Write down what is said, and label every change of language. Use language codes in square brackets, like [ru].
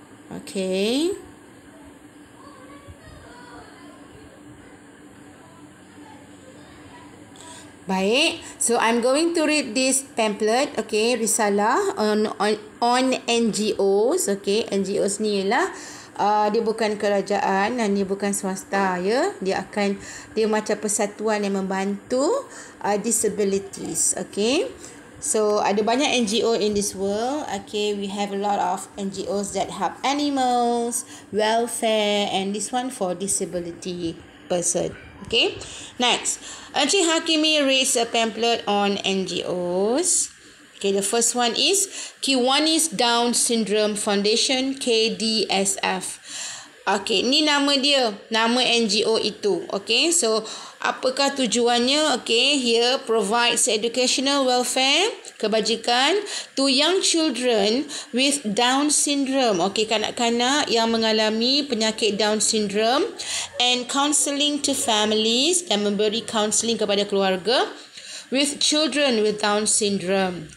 [en] Okay. Baik, so I'm going to read this pamphlet, okay, risalah on NGOs, okay. [ms] NGOs ni ialah dia bukan kerajaan dan dia bukan swasta, ya. Dia akan, dia macam persatuan yang membantu disabilities, okay. [en] So, [ms] ada banyak [en] NGO in this world, okay. We have a lot of NGOs that help animals, welfare, and this one for disability person. Okay, next. Encik Hakimi reads a pamphlet on NGOs. Okay, the first one is Kiwanis Down Syndrome Foundation, KDSF. [ms] Okay, ni nama dia, nama NGO itu. Okay, so apakah tujuannya? [en] Okay, here provides educational welfare, kebajikan to young children with Down syndrome. [ms] Okay, kanak-kanak yang mengalami penyakit Down syndrome, [en] and counselling to families, [ms] dan memberi counselling kepada keluarga [en] with children with Down syndrome.